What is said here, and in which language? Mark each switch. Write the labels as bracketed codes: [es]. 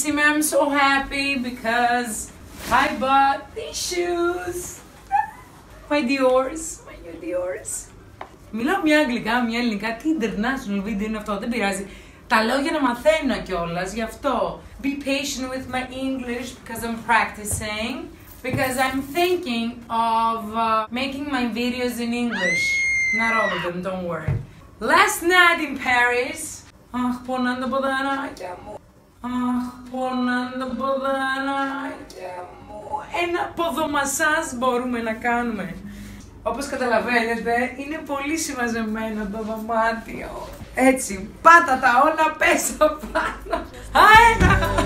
[en] I'm so happy because I bought these shoes. My Dior's. My new Dior's. [el] Μιλάω μια αγγλικά, μια ελληνικά. Τι international video είναι αυτό, δεν πειράζει. Τα λόγια να μαθαίνω κιόλας, γι' αυτό. [en] Be patient with my English because I'm practicing. Because I'm thinking of making my videos in English. Not all of them, don't worry. Last night in Paris. [el] Αχ, πονάν τα ποδαράκια μου. Αχ, πονάν τα ποδαράκια μου. Ένα ποδομασάζ μπορούμε να κάνουμε. Όπως καταλαβαίνετε, είναι πολύ συμμαζεμένο το δωμάτιο. Έτσι, πάτα τα όλα, πες πάνω. Α, ένα!